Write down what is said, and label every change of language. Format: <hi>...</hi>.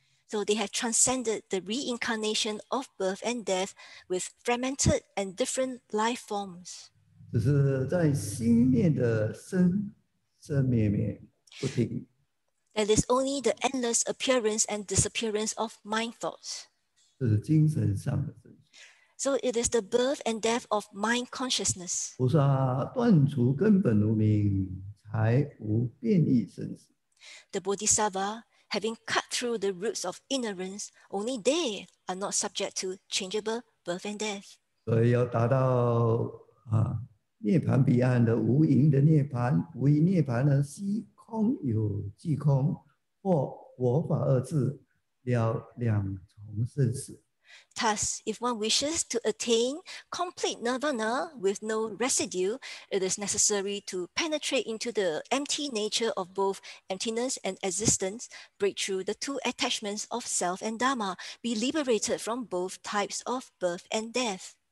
<en>So they have transcended the reincarnation of birth and death with fragmented and different life forms.</en> <zh>只是在心念的生生灭灭不停。</zh> <en>That is only the endless appearance and disappearance of mind thoughts.</en> <zh>这是精神上的生死。</zh> <en>So it is the birth and death of mind consciousness.</en> <zh>菩萨断除根本无明，才无变异生死。</zh> <en>The Bodhisattva, having cut through the roots of ignorance, only they are not subject to changeable birth and death.</en> <zh>所以要达到涅槃彼岸的无垠的涅槃，无垠涅槃呢，悉空有即空，或我法二字，了两重生死。</zh> <en>Thus, if one wishes to attain complete nirvana with no residue, it is necessary to penetrate into the empty nature of both emptiness and existence, break through the two attachments of self and Dharma, be liberated from both types of birth and death.</en>